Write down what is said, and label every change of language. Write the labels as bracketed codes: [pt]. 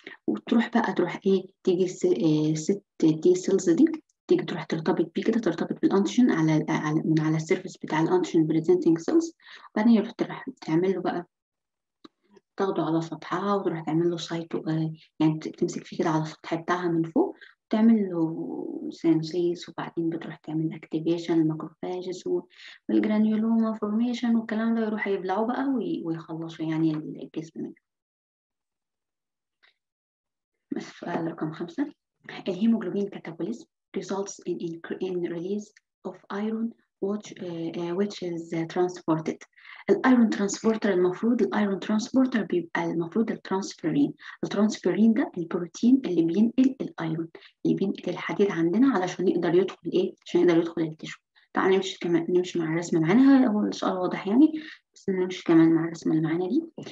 [ar] وتروح بقى تروح ايه، تيجي ست تي سيلز دي تيجي تروح ترتبط بيه كده، ترتبط بالانتيجين على من على السيرفيس بتاع الانتيجين بريزنتنج سيلز، وبعدين يروح تروح تعمل له بقى تاخده على سطحها وتروح تعمل له سايتو، يعني تمسك فيه كده على السطح بتاعها من فوق تعمل له سينسيس، وبعدين بتروح تعمل اكتيفيشن الماكروفاجز والجرانيولوما فورميشن والكلام ده، يروح يبلعوا بقى ويخلصوا يعني الجسم منه. السؤال رقم 5، الهيموجلوبين كاتابوليزم [en] results in release of iron which is transported. [ar] الايرون ترانسبورتر، المفروض الايرون ترانسبورتر بيبقى المفروض الترانسفيرين. الترانسفيرين ده البروتين اللي بينقل الايرون، اللي بينقل الحديد عندنا علشان يقدر يدخل ايه، عشان يقدر يدخل التشو. تعال نمشي كمان، نمشي مع الرسمه معانا، هو السؤال واضح يعني، بس نمشي كمان مع الرسمه اللي معانا دي.